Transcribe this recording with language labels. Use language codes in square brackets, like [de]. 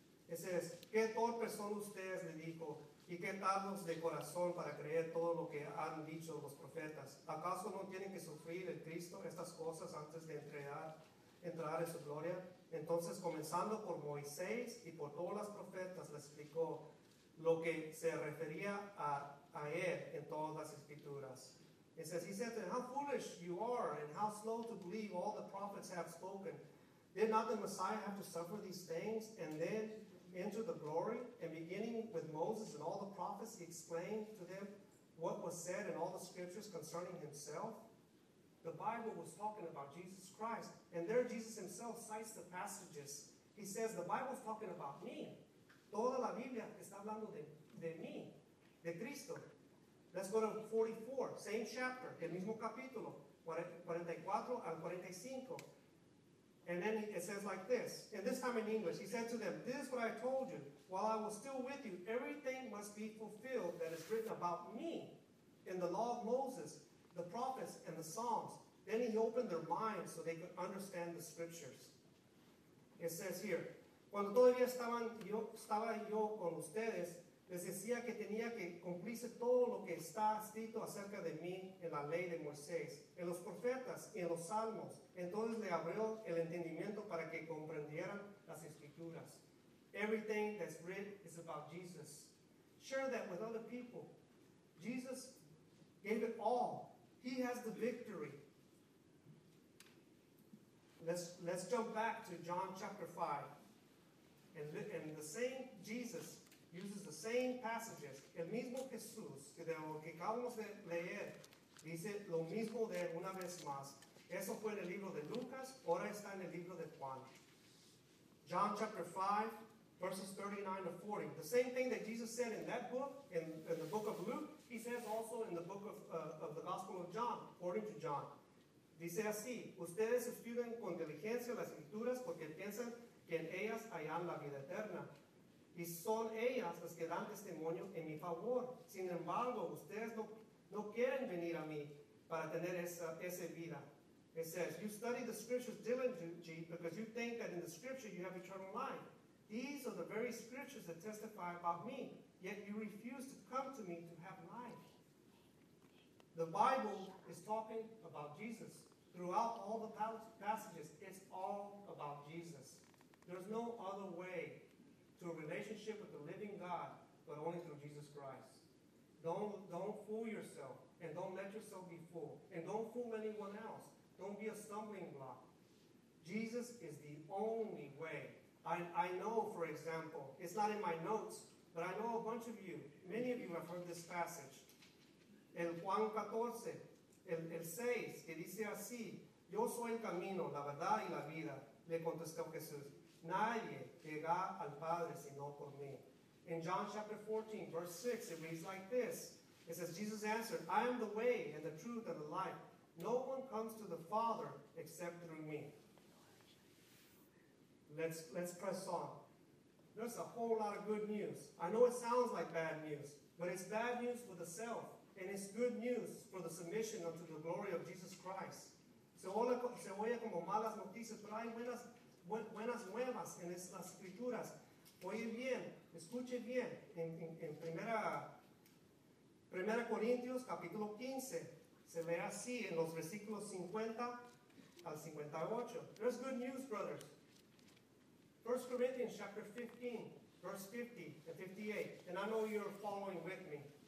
[es] Ese es, ¿qué torpes son ustedes, le dijo, y qué tardos de corazón para creer todo lo que han dicho los profetas? ¿Acaso no tienen que sufrir el Cristo estas cosas antes de entrar en su gloria? Entonces, comenzando por Moisés y por todos los profetas, les explicó lo que se refería a él en todas las Escrituras. [en] It says, he said to them, how foolish you are and how slow to believe all the prophets have spoken. Did not the Messiah have to suffer these things and then enter the glory? And beginning with Moses and all the prophets, he explained to them what was said in all the scriptures concerning himself. The Bible was talking about Jesus Christ. And there Jesus himself cites the passages. He says, the Bible is talking about me. [es] Toda la Biblia está hablando de mí, de Cristo. [en] Let's go to 44, same chapter, [es] el mismo capítulo, [en] 44 al 45. And then it says like this, and this time in English, he said to them, this is what I told you, while I was still with you, everything must be fulfilled that is written about me in the law of Moses, the prophets, and the Psalms. Then he opened their minds so they could understand the scriptures. It says here, [es] cuando todavía estaba yo con ustedes, Les decía que tenía que cumplirse todo lo que está escrito acerca de mí en la ley de Moisés, en los profetas y en los salmos. Entonces le abrió el entendimiento para que comprendieran las escrituras. [en] Everything that's written is about Jesus. Share that with other people. Jesus gave it all. He has the victory. Let's jump back to John chapter 5. And the same Jesus uses the same passages. [es] El mismo Jesús que de lo que acabamos de leer dice lo mismo de una vez más. Eso fue en el libro de Lucas, ahora está en el libro de Juan. [en] John chapter 5, verses 39 to 40. The same thing that Jesus said in that book, in the book of Luke, he says also in the book of the Gospel of John, according to John. [es] Dice así, ustedes estudian con diligencia las escrituras porque piensan que en ellas hallan la vida eterna. Y son ellas las que dan testimonio en mi favor. Sin embargo, ustedes no quieren venir a mí para tener esa vida. [en] It says, you study the scriptures diligently because you think that in the scripture you have eternal life. These are the very scriptures that testify about me, yet you refuse to come to me to have life. The Bible is talking about Jesus. Throughout all the passages, it's all about Jesus. There's no other way to a relationship with the living God, but only through Jesus Christ. Don't fool yourself, and don't let yourself be fooled, and don't fool anyone else. Don't be a stumbling block. Jesus is the only way. I know, for example, it's not in my notes, but I know a bunch of you, many of you have heard this passage. [es] El Juan 14, el 6, que dice así, yo soy el camino, la verdad y la vida, le contestó Jesús. Nadie llega al Padre sino por mí. [en] In John chapter 14, verse 6, it reads like this. It says, Jesus answered, I am the way and the truth and the life. No one comes to the Father except through me. Let's press on. There's a whole lot of good news. I know it sounds like bad news, but it's bad news for the self, and it's good news for the submission unto the glory of Jesus Christ. [es] Se oye como malas noticias, pero hay buenas nuevas en las escrituras. Oye bien, escuche bien. En primera Corintios, capítulo 15, se lee así en los versículos 50 al 58. [en] There's good news, brothers. 1 Corinthians chapter 15, verse 50 and 58. And I know you're following with me.